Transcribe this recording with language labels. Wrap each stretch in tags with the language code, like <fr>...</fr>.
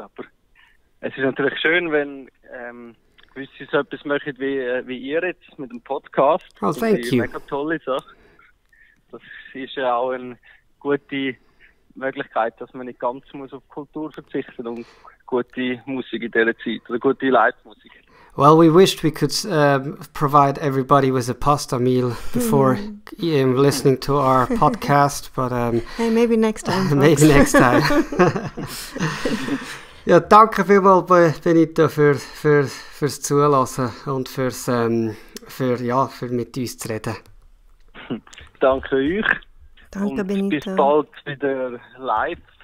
<de>Aber es ist natürlich schön, wenn gewisse so etwas machen wie ihr jetzt mit dem Podcast.</de> <en>Oh, thank you.</en> <de>Das ist eine mega tolle Sache. Das ist ja auch eine gute Möglichkeit, dass man nicht ganz muss auf Kultur verzichten und gute Musik in dieser Zeit oder gute Live-Musik.</de> <en>Well, we wished we could provide everybody with a pasta meal before listening to our podcast, but... Hey, maybe next time, Maybe next time.</en> <de>Ja, danke vielmals, Benito, fürs Zuhören und fürs mit uns zu reden. Danke euch. Danke, und Benito. Bis bald wieder live.</de>